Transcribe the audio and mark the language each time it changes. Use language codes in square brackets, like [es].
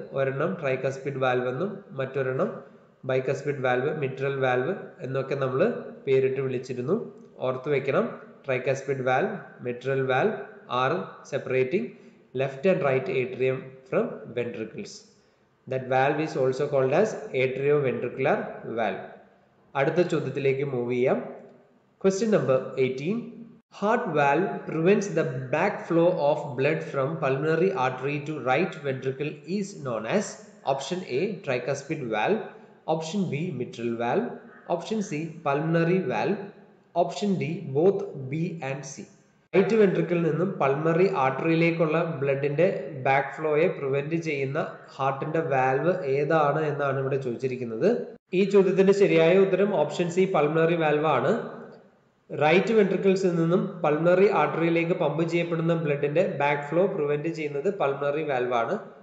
[ml] ഒരെണ്ണം tricuspid valve എന്നും മറ്റൊരെണ്ണം bicuspid valve, mitral valve എന്നൊക്കെ നമ്മൾ പേരിട്ട് വിളിച്ചിരുന്നു. ഓർത്ത് വയ്ക്കണം, [en] Tricuspid valve, mitral valve are separating left and right atrium from ventricles. That valve is also called as atrioventricular valve. [ml] Adutha chodyathilekku move cheyyam. [en] Question number 18. Heart valve prevents the backflow of blood from pulmonary artery to right ventricle is known as option A, tricuspid valve, option B, mitral valve, option C, pulmonary valve, option D, both B and C. [ml] Right വെൻട്രിക്കിളിൽ നിന്നും pulmonary ആർട്ടറിയിലേക്കുള്ള ബ്ലഡിൻ്റെ back ഫ്ലോയെ prevent ചെയ്യുന്ന ഹാർട്ടിൻ്റെ valve ഏതാണ് എന്നാണ് ഇവിടെ ചോദിച്ചിരിക്കുന്നത്. ഈ ചോദ്യത്തിൻ്റെ ശരിയായ ഉത്തരം ഓപ്ഷൻ സി, പൾമറി വാൽവ് ആണ്. റൈറ്റ് വെൻട്രിക്കിൾസിൽ നിന്നും പൾമറി ആർട്ടറിയിലേക്ക് പമ്പ് ചെയ്യപ്പെടുന്ന ബ്ലഡിൻ്റെ ബാക്ക് ഫ്ലോ പ്രിവെൻറ്റ് ചെയ്യുന്നത് പൾമറി വാൽവ് ആണ്.